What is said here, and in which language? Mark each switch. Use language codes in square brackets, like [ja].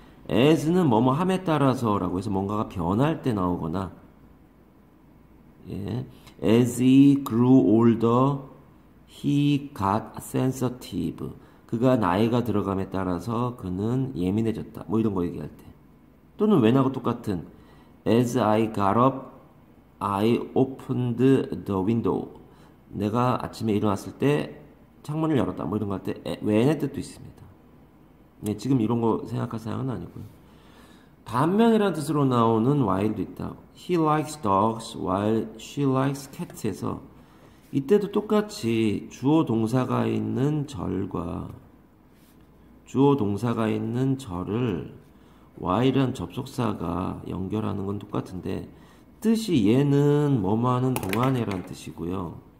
[ko] as는 뭐뭐 함에 따라서라고 해서 뭔가가 변할 때 나오거나, 예. [en] as he grew older, he got sensitive. [ko] 그가 나이가 들어감에 따라서 그는 예민해졌다. 뭐 이런 거 얘기할 때. 또는 when하고 똑같은. [en] As I got up, I opened the window. [ko] 내가 아침에 일어났을 때 창문을 열었다. 뭐 이런 거할 때, when의 뜻도 있습니다. 네, 지금 이런 거 생각할 사항은 아니고요. 반면이라는 뜻으로 나오는 while도 있다. [en] He likes dogs while she likes cats [ko] 해서 이때도 똑같이 주어 동사가 있는 절과 주어 동사가 있는 절을 while이란 접속사가 연결하는 건 똑같은데 뜻이 얘는 뭐뭐하는 동안에란 뜻이고요.